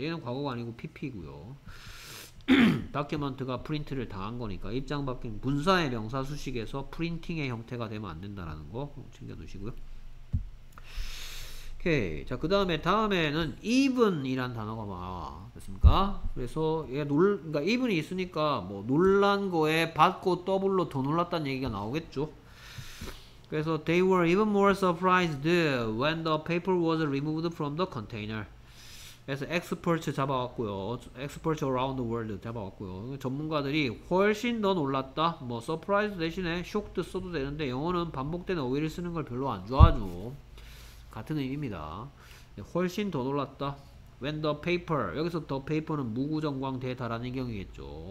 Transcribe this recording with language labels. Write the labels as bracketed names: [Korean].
[Korean] 얘는 과거가 아니고 pp고요. 다큐먼트가 프린트를 당한 거니까 입장 바뀐 문사의 명사 수식에서 프린팅의 형태가 되면 안 된다라는 거 챙겨 두시고요. 오케이. 자, 그다음에 다음에는 even이란 단어가 나와. 됐습니까? 그래서 얘놀 그러니까 even이 있으니까 뭐 놀란 거에 받고 더블로 더 놀랐다는 얘기가 나오겠죠. 그래서 [English] they were even more surprised when the paper was removed from the container. [Korean] 그래서 experts 잡아왔고요. experts around the world 잡아왔고요. 전문가들이 훨씬 더 놀랐다. 뭐 surprise 대신에 shocked 써도 되는데 영어는 반복되는 어휘를 쓰는 걸 별로 안 좋아하죠. 같은 의미입니다. 훨씬 더 놀랐다. [English] when the paper [Korean] 여기서 the paper는 무구정광대다라는 경우겠죠.